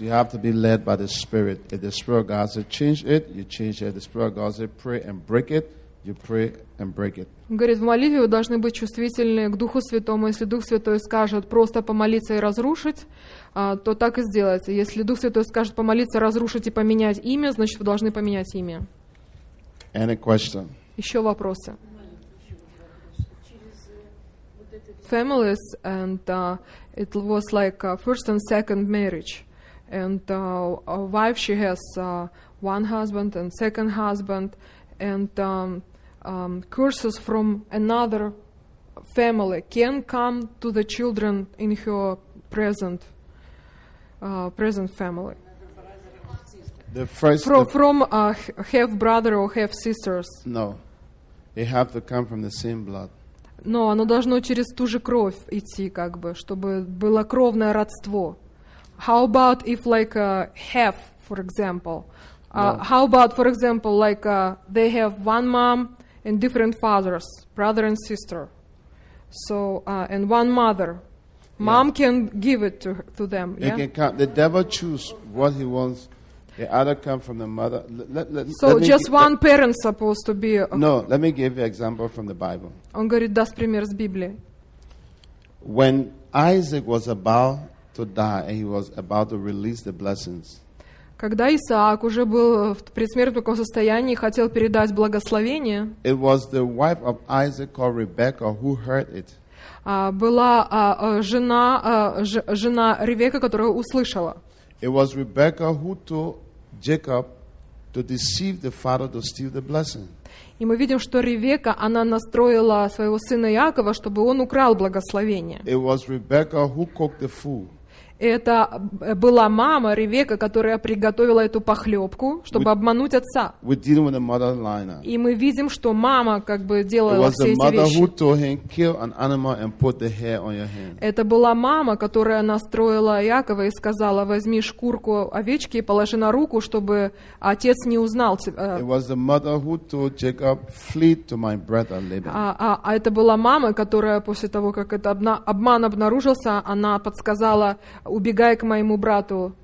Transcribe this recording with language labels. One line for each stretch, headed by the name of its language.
English: You have to be led by the Spirit. If the Spirit of God says change it, you change it. If the Spirit of God says pray and break it, you pray and break it.
Russian: Говорит, в молитве вы должны быть чувствительны к Духу Святому. Если Дух Святой скажет просто помолиться и разрушить, то так и сделайте. Если Дух Святой скажет помолиться, разрушить и поменять имя, значит, вы должны поменять имя.
English: Any question?
Russian: Еще вопросы? Через вот это...
English: families, and it was like first and second marriage. And a wife, she has one husband and second husband, and curses from another family can come to the children in her present family. The first from half brother or half sisters. No, they have to come from the same blood.
Russian: Но оно должно через ту же кровь идти, как бы, чтобы было кровное родство.
English: How about if like half, for example? How about, for example, like they have one mom and different fathers, brother and sister. So and one mother. Mom can give it to them. They can come. The devil choose what he wants. The other come from the mother. One parent supposed to be. No, let me give you an example from the Bible.
Russian: Он говорит, даст пример с Библии.
English: When Isaac was about to die and he was about to release the blessings.
Russian: Когда Исаак уже был в предсмертном состоянии и хотел передать благословение.
English: It was the wife of Isaac called Rebecca who heard it.
Russian: Была жена Ревека, которая услышала.
English: It was Rebecca who told Jacob to deceive the father to steal the blessing.
Russian: И мы видим, что Ревека, она настроила своего сына Иакова, чтобы он украл благословение.
English: It was Rebecca who cooked the food.
Russian: Это была мама Ревека, которая приготовила эту похлебку, чтобы обмануть отца.
English: We're dealing with a mother liner.
Russian: И мы видим, что мама как бы делала все эти вещи.
English: It was the mother who told him kill an animal and put the hair on your hand.
Russian: Это была мама, которая настроила Иакова и сказала: возьми шкурку овечки и положи на руку, чтобы отец не узнал тебя.
English: It was the mother who told Jacob flee to my brother Laban.
Russian: А это была мама, которая после того, как этот обман обнаружился, она подсказала: убегай к моему брату